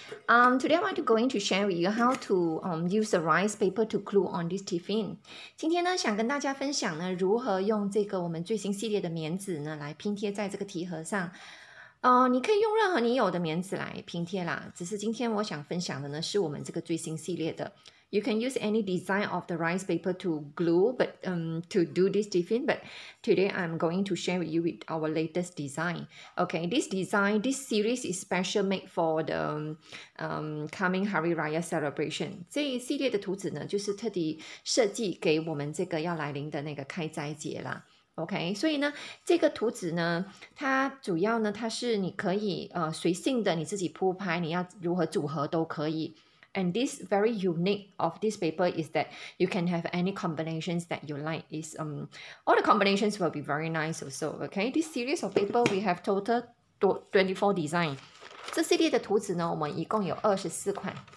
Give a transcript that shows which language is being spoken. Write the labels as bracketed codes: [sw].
[en] Today I want to going to share with you how to use the rice paper to glue on this tiffin. [zh] 今天呢，想跟大家分享呢，如何用这个我们最新系列的棉纸呢，来拼贴在这个提盒上。你可以用任何你有的棉纸来拼贴啦，只是今天我想分享的呢，是我们这个最新系列的。 [en] You can use any design of the rice paper to glue, but to do this tiffin. But today I'm going to share with you with our latest design. Okay, this design, this series is special made for the coming Hari Raya celebration. [zh] 这一系列的图纸呢，就是特地设计给我们这个要来临的那个开斋节啦。 OK， 所以呢，这个图纸呢，它主要呢，它是你可以随性的你自己铺排，你要如何组合都可以。 [en] And this very unique of this paper is that you can have any combinations that you like. It's, all the combinations will be very nice also. Okay, this series of paper, we have total 24 design. [zh] 这系列的图纸呢，我们一共有24款。